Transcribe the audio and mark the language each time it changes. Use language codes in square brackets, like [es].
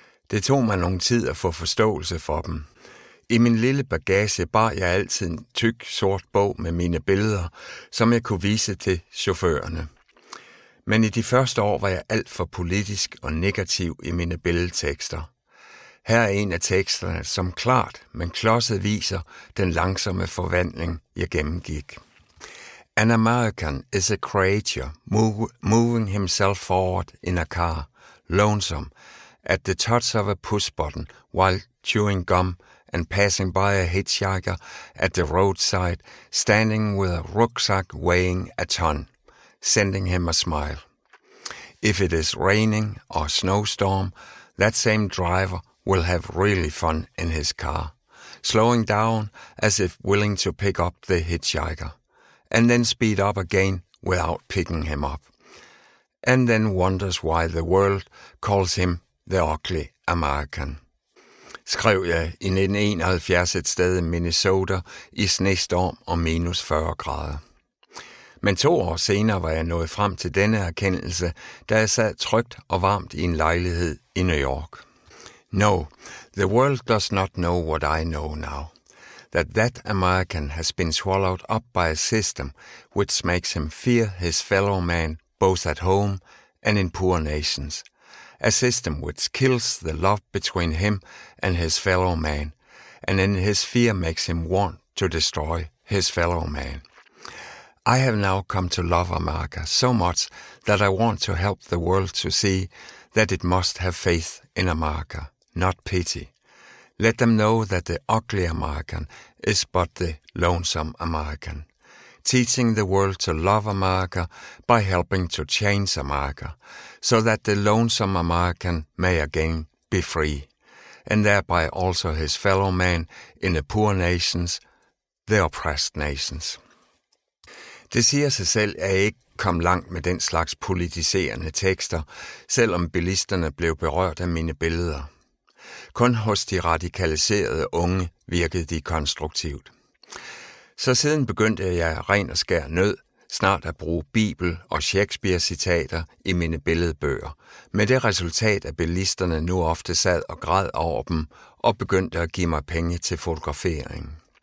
[da] Det tog mig nogen tid at få forståelse for dem. I min lille bagage bar jeg altid en tyk sort bog med mine billeder, som jeg kunne vise til chaufførerne. Men i de første år var jeg alt for politisk og negativ i mine billedtekster. Her er en af teksterne, som klart, men klodset viser den langsomme forvandling, jeg gennemgik. [en] An American is a creature moving himself forward in a car, lonesome, at the touch of a push button while chewing gum and passing by a hitchhiker at the roadside, standing with a rucksack weighing a ton, sending him a smile. If it is raining or snowstorm, that same driver will have really fun in his car, slowing down as if willing to pick up the hitchhiker, and then speed up again without picking him up, and then wonders why the world calls him the ugly American. [da] Skrev jeg i 1971 et sted i Minnesota i snestorm og minus 40 grader. Men 2 år senere var jeg nået frem til denne erkendelse, da jeg sad trygt og varmt i en lejlighed i New York. [en] No, the world does not know what I know now. That American has been swallowed up by a system which makes him fear his fellow man both at home and in poor nations, a system which kills the love between him and his fellow man, and in his fear makes him want to destroy his fellow man. I have now come to love America so much that I want to help the world to see that it must have faith in America, not pity. Let them know that the ugly American is but the lonesome American. Teaching the world to love America by helping to change America, so that the lonesome American may again be free, and thereby also his fellow man in the poor nations, the oppressed nations. [da] Det siger sig selv, at jeg ikke kom langt med den slags politiserende tekster, selvom bilisterne blev berørt af mine billeder. Kun hos de radikaliserede unge virkede de konstruktivt. Så siden begyndte jeg ren og skær nød, snart at bruge Bibel og Shakespeare-citater i mine billedbøger, med det resultat, at bilisterne nu ofte sad og græd over dem og begyndte at give mig penge til fotografering.